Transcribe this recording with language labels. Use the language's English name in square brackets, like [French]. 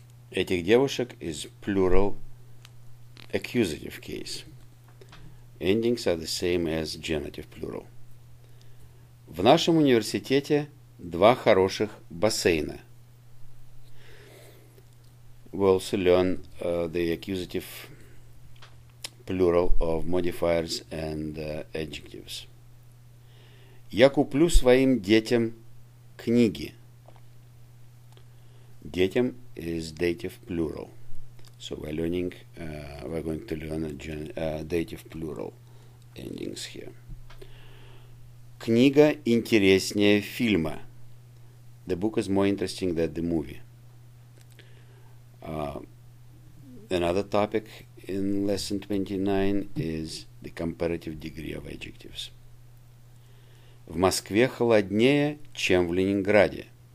[Russian] Этих девушек [English] is plural accusative case. Endings are the same as genitive plural. [Russian] В нашем университете два хороших бассейна. [English] We also learn the accusative plural of modifiers and adjectives. [Russian] Я куплю своим детям книги. [English] Детям is dative plural. So we're learning, we're going to learn dative plural endings here. [Russian] Книга интереснее фильма. [English] The book is more interesting than the movie. Another topic in lesson 29 is the comparative degree of adjectives. [Russian] В Москве холоднее, чем в Ленинграде.